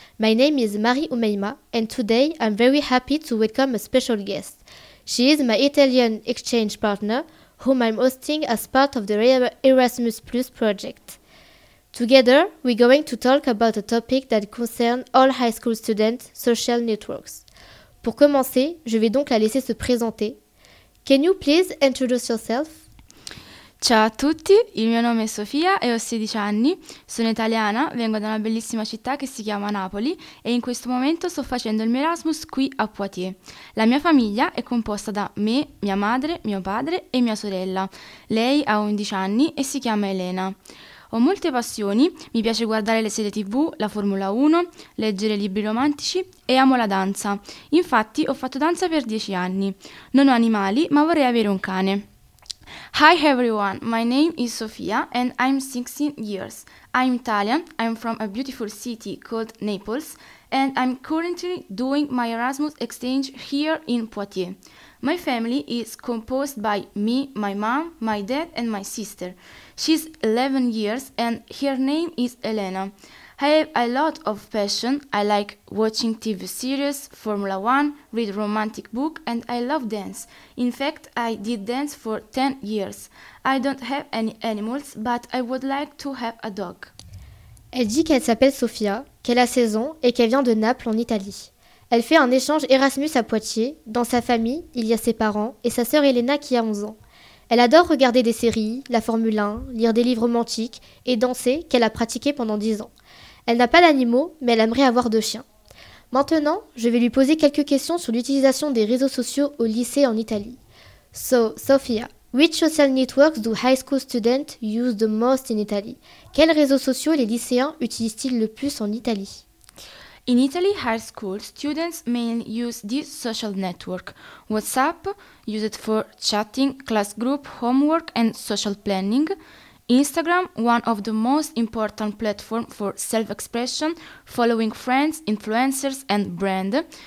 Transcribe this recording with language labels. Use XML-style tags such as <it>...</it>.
<en>My name is Marie Oumaima and today I'm very happy to welcome a special guest. She is my Italian exchange partner, whom I'm hosting as part of the Erasmus+ project. Together, we're going to talk about a topic that concerns all high school students' social networks.</en> <fr>Pour commencer, je vais donc la laisser se présenter.</fr> <en>Can you please introduce yourself?</en> <it>Ciao a tutti, il mio nome è Sofia e ho 16 anni, sono italiana, vengo da una bellissima città che si chiama Napoli e in questo momento sto facendo il mio Erasmus qui a Poitiers. La mia famiglia è composta da me, mia madre, mio padre e mia sorella. Lei ha 11 anni e si chiama Elena. Ho molte passioni, mi piace guardare le serie TV, la Formula 1, leggere libri romantici e amo la danza. Infatti ho fatto danza per 10 anni. Non ho animali, ma vorrei avere un cane.</it> <en>Hi everyone, my name is Sofia and I'm 16 years. I'm Italian, I'm from a beautiful city called Naples and I'm currently doing my Erasmus exchange here in Poitiers. My family is composed by me, my mom, my dad and my sister. She's 11 years and her name is Elena. I have a lot of passion. I like watching TV series, Formula 1, read romantic book, and I love dance. In fact, I did dance for 10 years. I don't have any animals, but I would like to have a dog.</en> <fr>Elle dit qu'elle s'appelle Sofia, qu'elle a 16 ans et qu'elle vient de Naples en Italie. Elle fait un échange Erasmus à Poitiers. Dans sa famille, il y a ses parents et sa sœur Elena qui a 11 ans. Elle adore regarder des séries, la Formule 1, lire des livres romantiques et danser qu'elle a pratiqué pendant 10 ans. Elle n'a pas d'animaux, mais elle aimerait avoir deux chiens. Maintenant, je vais lui poser quelques questions sur l'utilisation des réseaux sociaux au lycée en Italie.</fr> <en>So, Sofia, which social networks do high school students use the most in Italy?</en> <fr>Quels réseaux sociaux les lycéens utilisent-ils le plus en Italie?</fr> <en>In Italy, high school students mainly use this social network. WhatsApp, used for chatting, class group, homework and social planning. Instagram, one of the most important platforms for self-expression, following friends, influencers and brand.</en>